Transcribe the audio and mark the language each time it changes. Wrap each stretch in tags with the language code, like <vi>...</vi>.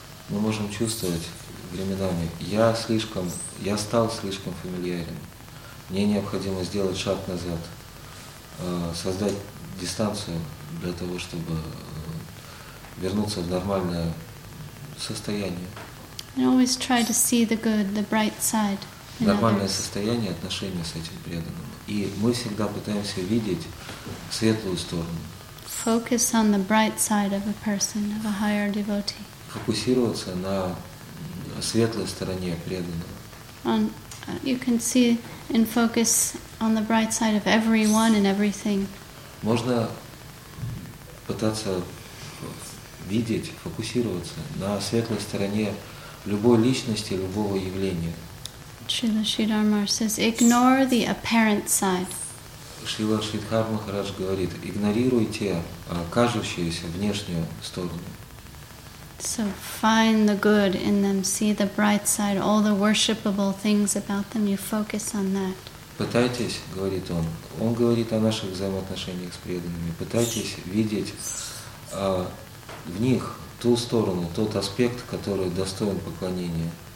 <ru>Мы можем чувствовать временами, я стал слишком фамильярен. Мне необходимо сделать шаг назад, создать дистанцию для того, чтобы вернуться в нормальное состояние.</ru> <en>And always try to see the good, the bright side.</en> <ru>Нормальное состояние отношения с этим преданным. И мы всегда пытаемся видеть светлую сторону.</ru> <en>Focus on the bright side of a person, of a higher devotee.</en> <ru>Фокусироваться на светлой стороне преданного.</ru> <en>You can see and focus on the bright side of everyone and everything.</en> <ru>Можно пытаться видеть, фокусироваться на светлой стороне любой личности, любого явления.</ru> <en>Шрила Шридхар Махарадж says, ignore the apparent side.</en> <ru>Шрила Шридхар Махарадж говорит, игнорируйте кажущуюся внешнюю сторону.</ru> <en>So find the good in them, see the bright side, all the worshipable things about them, you focus on that.</en> <ru>Пытайтесь, говорит он, говорит о наших взаимоотношениях с преданными, пытайтесь видеть в них ту сторону, тот аспект, который достоин поклонения.</ru>